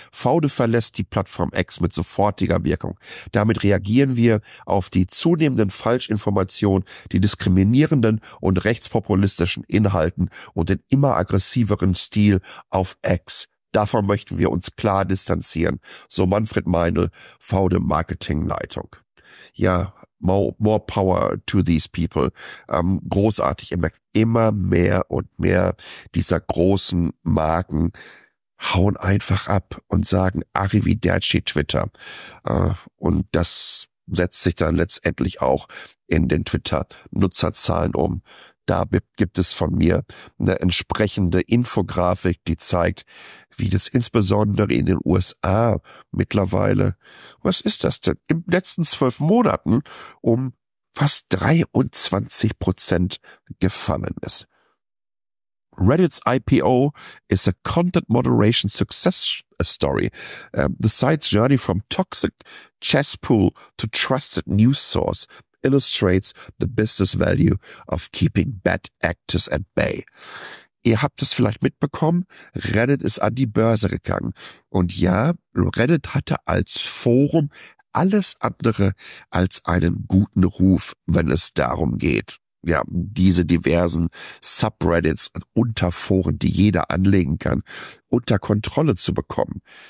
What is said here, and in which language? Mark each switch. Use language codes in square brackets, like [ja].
[de] Faude verlässt die Plattform X mit sofortiger Wirkung. Damit reagieren wir auf die zunehmenden Falschinformationen, die diskriminierenden und rechtspopulistischen Inhalten und den immer aggressiveren Stil auf X. Davon möchten wir uns klar distanzieren, so Manfred Meinl, Faude Marketingleitung. [en] Ja, more power to these people. [de] Großartig, ihr merkt, immer mehr und mehr dieser großen Marken hauen einfach ab und sagen Arrivederci Twitter. Und das setzt sich dann letztendlich auch in den Twitter-Nutzerzahlen um. Da gibt es von mir eine entsprechende Infografik, die zeigt, wie das insbesondere in den USA mittlerweile, was ist das denn, im letzten 12 Monaten um fast 23% gefallen ist. [en] Reddit's IPO is a content moderation success story. The site's journey from toxic cesspool to trusted news source illustrates the business value of keeping bad actors at bay. [de] Ihr habt es vielleicht mitbekommen, Reddit ist an die Börse gegangen. Und ja, Reddit hatte als Forum alles andere als einen guten Ruf, wenn es darum geht. Ja, diese diversen Subreddits und Unterforen, die jeder anlegen kann, unter Kontrolle zu bekommen.